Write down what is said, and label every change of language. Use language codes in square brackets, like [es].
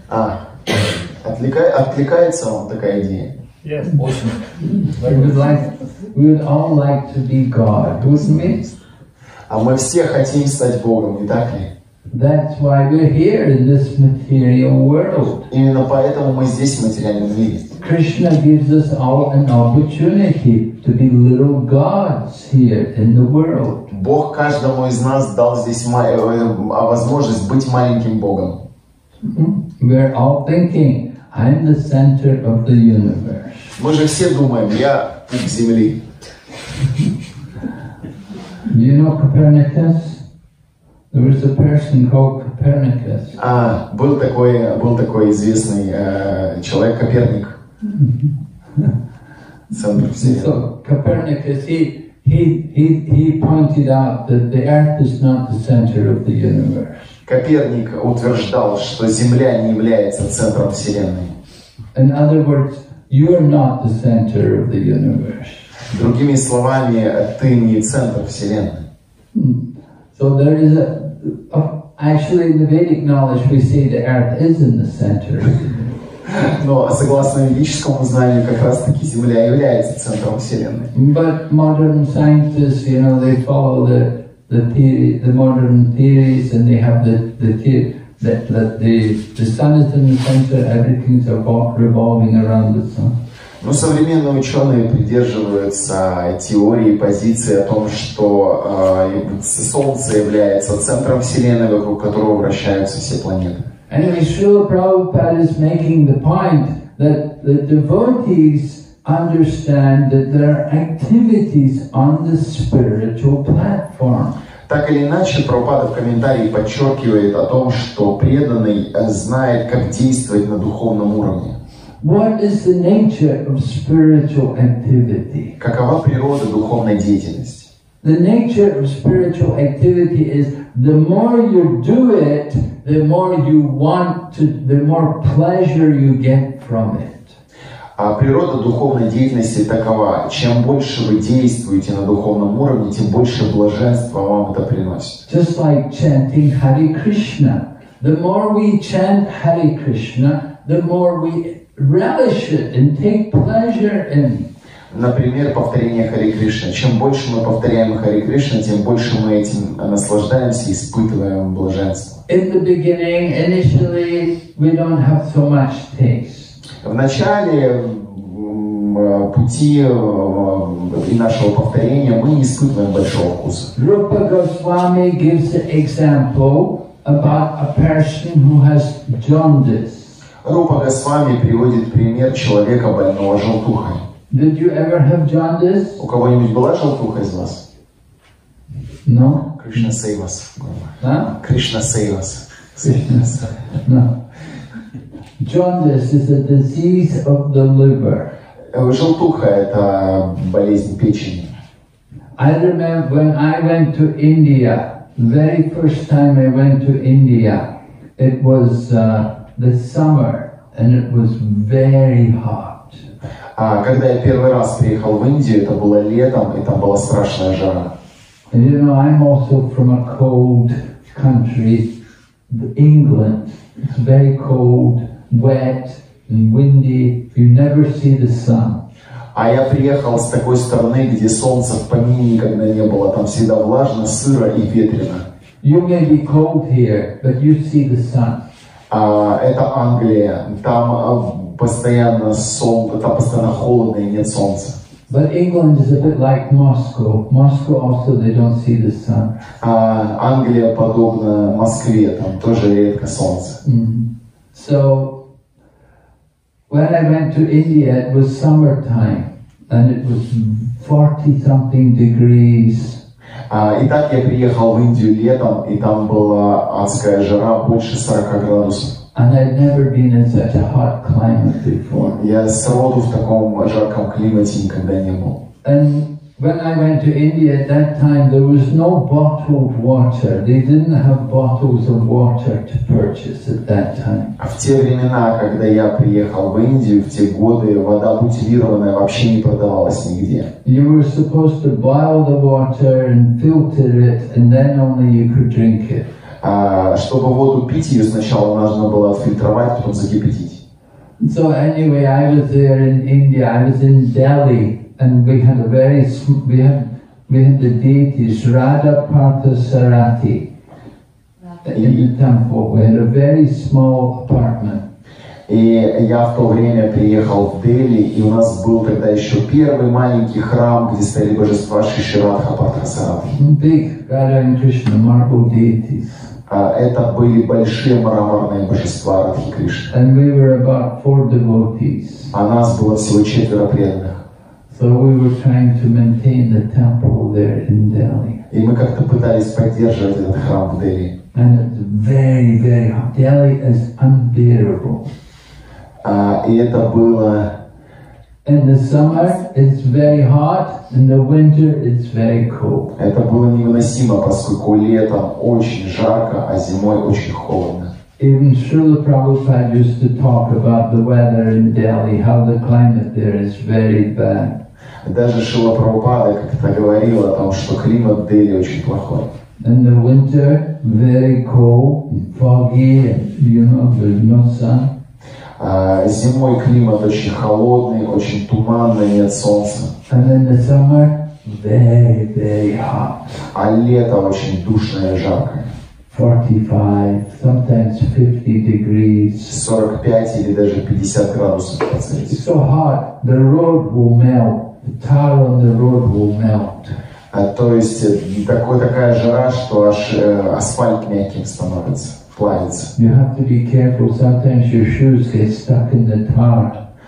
[ru] А, отвлекается он, такая идея? [en] Yes. Awesome. We would all like to be God, wouldn't we? [ru] А мы все хотим стать Богом, не так ли? [en] That's why we're here in this material world. [ru] Именно поэтому мы здесь, в материальном мире. [en] Krishna gives us all an opportunity to be little gods here in the world. [ru] Бог каждому из нас дал здесь возможность быть маленьким Богом. [en] We're all thinking, I'm the center of the universe. [ru] Мы же все думаем, я пик Земли. [en] Do you know Copernicus? There was a person called Copernicus. [ru] А, был такой известный человек Коперник. [en] So Copernicus, he pointed out that the Earth is not the center of the universe. [ru] Коперник утверждал, что Земля не является центром Вселенной. [en] In other words, you are not the center of the universe. [ru] Другими словами, ты не центр Вселенной. [en] So there is a actually in the Vedic knowledge we say the earth is in the center. [ru] Но согласно ведическому знанию, как раз таки Земля является центром Вселенной. [en] But modern scientists, you know, they follow the modern theories and they have the theory that the sun is in the center, everything's revolving around the sun. [ru] Но современные ученые придерживаются теории и позиции о том, что Солнце является центром Вселенной, вокруг которого вращаются все планеты. [en] Anyway, Srila Prabhupada is making the point that the devotees understand that there are activities on the spiritual platform. [ru] Так или иначе, Прабхупада в комментарии подчеркивает о том, что преданный знает, как действовать на духовном уровне. [en] What is the nature of spiritual activity? [ru] Какова природа духовной деятельности? [en] The nature of spiritual activity is the more you do it, the more you want to, the more pleasure you get from it. [ru] А природа духовной деятельности такова: чем больше вы действуете на духовном уровне, тем больше блаженства вам это приносит. [en] Just like chanting Hare Krishna. The more we chant Hare Krishna, the more we relish it and take pleasure in. [ru] Например, повторение Харе Кришна. Чем больше мы повторяем Харе Кришна, тем больше мы этим наслаждаемся и испытываем блаженство. [en] In the beginning, initially, we don't have so much taste. [ru] В начале пути и нашего повторения мы не испытываем большого вкуса. [en] Rupa Goswami gives an example about a person who has jaundice. [ru] Rupa Goswami приводит пример человека, больного желтухой. [en] Did you ever have jaundice? [ru] У кого-нибудь была желтуха из вас? [en] No. Krishna save us. Huh? Krishna save us. No. Jaundice is a disease of the liver. [ru] Желтуха – это болезнь печени. [en] I remember when I went to India, very first time I went to India, it was the summer and it was very hot. [ru] А когда я первый раз приехал в Индию, это было летом и там была страшная жара. [en] And you know, I'm also from a cold country, England. It's very cold. Wet and windy, you never see the sun. [ru] А я приехал с такой стороны, где солнца в помине никогда не было. Там всегда влажно, сыро и ветрено. [en] You may be cold here, but you see the sun. [ru] Это Англия. Там постоянно солнце, там постоянно холодно и нет солнца. [en] But England is a bit like Moscow. Moscow also they don't see the sun. [ru] Англия подобна Москве, там тоже редко солнце. Mm-hmm. [en] So when I went to India, it was summertime, and it was 40 something degrees. [ru] Итак, я приехал в Индию летом, и там была адская жара, больше 40 градусов. [en] And I'd never been in such a hot climate before. [ru] Я сроду в таком жарком климате никогда не был. [en] And when I went to India at that time, there was no bottled water. They didn't have bottles of water to purchase at that time. [ru] А в те времена, когда я приехал в Индию, в те годы, вода бутилированная вообще не продавалась нигде. [en] You were supposed to boil the water and filter it, and then only you could drink it. [ru] Чтобы воду пить, ее сначала нужно было отфильтровать, потом закипятить. [en] So anyway, I was there in India. I was in Delhi. And we had a very we had the deities Radha Partha Sarathi in the temple. We had a very small apartment. [ru] И я в то время приехал в Дели, и у нас был тогда еще первый маленький храм, где стояли божества Шри Радха Партха Сарати. [en] Big Radha and Krishna marble deities. [ru] Это были большие мраморные божества Радхи Кришны. [en] And we were about four devotees. [ru] А нас было всего четверо преданных. [en] So we were trying to maintain the temple there in Delhi. [ru] И мы как-то пытались поддерживать этот храм в Дели. [en] And it's very, very hot. Delhi is unbearable. [ru] И это было. [en] In the summer it's very hot, in the winter it's very cold. [ru] Это было невыносимо, поскольку летом очень жарко, а зимой очень холодно. [en] Even Srila Prabhupada used to talk about the weather in Delhi, how the climate there is very bad. [ru] Даже Шрила Прабхупада как-то говорил о том, что климат в Дели очень плохой. [en] In the winter, very cold, foggy, you know, there's no sun. [ru] Зимой климат очень холодный, очень туманный, нет солнца. [en] And in the summer, very, very hot. [ru] А лето очень душное, жаркое. [en] 45, sometimes 50 degrees. [ru] 45 или даже 50 градусов по Цельсию. [en] It's so hot, the road will melt. The tar on the road will melt. [ru] То есть такая жара, что аж асфальт мягким становится, плавится. [en] You have to be careful. Sometimes your shoes get stuck in the tar.